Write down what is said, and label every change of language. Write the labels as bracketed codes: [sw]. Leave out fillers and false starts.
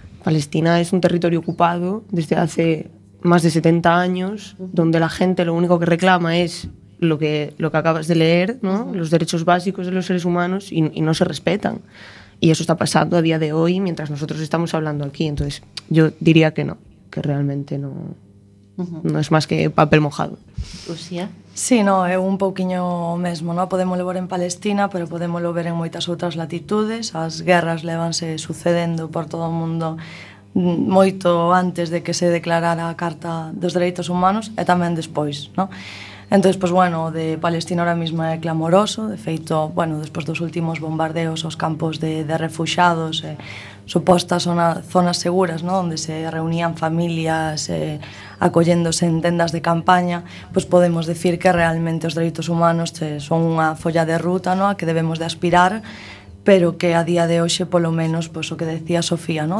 [es] Palestina es un territorio ocupado desde hace más de 70 años, donde la gente lo único que reclama es lo que acabas de leer, ¿no? Sí. Los derechos básicos de los seres humanos y no se respetan. Y eso está pasando a día de hoy mientras nosotros estamos hablando aquí. Entonces yo diría que no, que realmente no... No es máis que papel mojado. [gl] Uxía? Sí, no, é un pouquiño o mesmo, ¿no? Podemos levar en Palestina, pero podemos levar en moitas outras latitudes. As guerras levanse sucedendo por todo o mundo moito antes de que se declarara a Carta dos Dereitos Humanos e tamén despois, ¿no? Entón, pues, bueno, de Palestina [es] ahora mismo [gl] é clamoroso. De feito, bueno, despois dos últimos bombardeos aos campos de refugiados, supostas zonas seguras, ¿no? Onde se reunían familias acolléndose en tendas de campaña, pues [es] podemos decir [gl] que realmente os dereitos humanos son unha folla de ruta, ¿no? A que debemos de aspirar, pero que a día de hoxe, polo menos, pues, o que decía Sofía, ¿no?